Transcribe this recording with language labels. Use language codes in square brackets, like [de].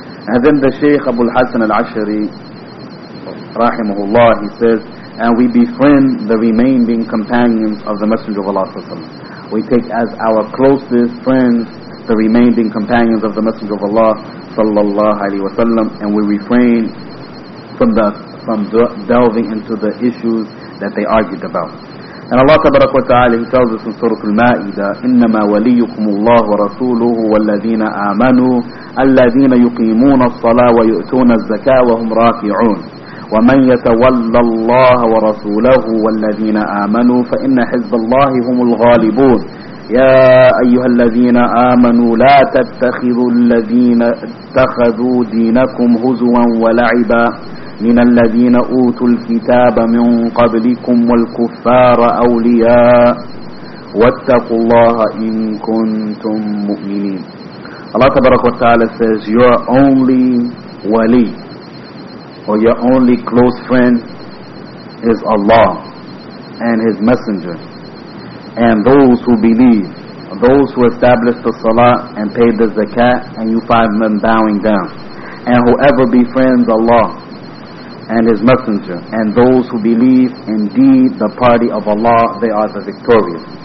[en] And then the Shaykh Abu al-Hasan al-Ashari rahimahullah, he says, and we befriend the remaining companions of the Messenger of Allah sallallahu alayhi wa sallam. We take as our closest friends the remaining companions of the Messenger of Allah sallallahu alayhi wa sallam, and we refrain from delving into the issues that they argued about. And Allah tabarak wa ta'ala, he tells us in Surah Al-Ma'idah, [ar] إِنَّمَا وَلِيُّكُمُ اللَّهُ وَرَسُولُهُ وَالَّذِينَ آمَنُوا الَّذِينَ يُقِيمُونَ الصَّلَاةَ وَيُؤْتُونَ الزَّكَاةَ وَهُمْ رَاكِعُونَ وَمَنْ يَتَوَلَّ اللَّهَ وَرَسُولَهُ وَالَّذِينَ آمَنُوا فَإِنَّ حِزْبَ اللَّهِ هُمُ الْغَالِبُونَ يَا أَيُّهَا الَّذِينَ آمَنُوا لَا تَتَّخِذُوا الَّذِينَ اتَّخَذُوا دِينَكُمْ هُزُوًا وَلَعِبًا من الذين أوتوا الكتاب من قبلكم والكفار أولياء واتقوا الله إن كنتم مؤمنين. [en] Allah tabarak wa ta'ala says, your only wali or your only close friend is Allah and His Messenger and those who believe, those who establish the salah and pay the zakat, and you find them bowing down, and whoever befriends Allah and His Messenger, and those who believe, indeed the party of Allah, they are the victorious.